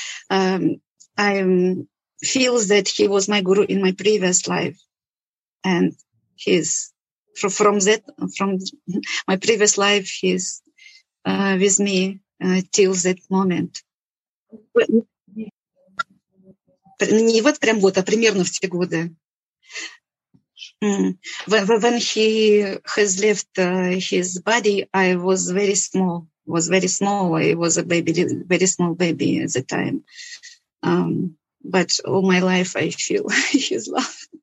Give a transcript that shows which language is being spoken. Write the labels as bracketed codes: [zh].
[en] I feel that he was my guru in my previous life, and he's from my previous life, he's with me till that moment. [ru] Не вот прям вот, а примерно в те годы. [en] When he has left his body, I was very small. I was a baby, very small baby at the time. But all my life, I feel his love.